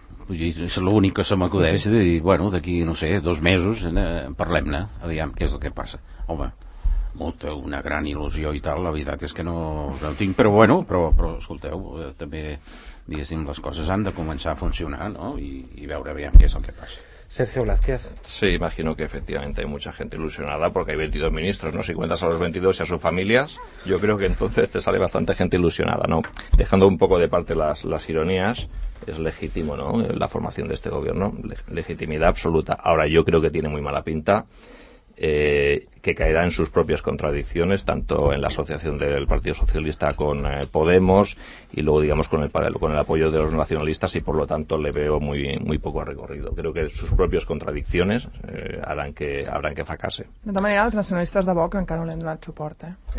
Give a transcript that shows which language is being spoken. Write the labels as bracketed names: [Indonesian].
[Catalan] És l'únic que se m'acudeix de dir, bueno, d'aquí, no sé, dos mesos parlem-ne, aviam què és el que passa. Home, molta, una gran il·lusió i tal, la veritat és que no tinc, però bueno, però escolteu, també, diguéssim, les coses han de començar a funcionar, no? I veure aviam què és el que passa. [Spanish] Sergio Blázquez. Sí, imagino que efectivamente hay mucha gente ilusionada porque hay 22 ministros, ¿no? Si cuentas a los 22 y a sus familias, yo creo que entonces te sale bastante gente ilusionada, ¿no? Dejando un poco de parte las ironías, es legítimo, ¿no? La formación de este gobierno, legitimidad absoluta. Ahora, yo creo que tiene muy mala pinta, que caerá en sus propias contradicciones, tanto en la asociación del Partido Socialista con Podemos y luego, digamos, con el apoyo de los nacionalistas, y por lo tanto le veo muy, muy poco recorrido. Creo que sus propias contradicciones harán que fracase. [Catalan] De tota manera, els nacionalistes de Vox encara no li han donat suport, eh?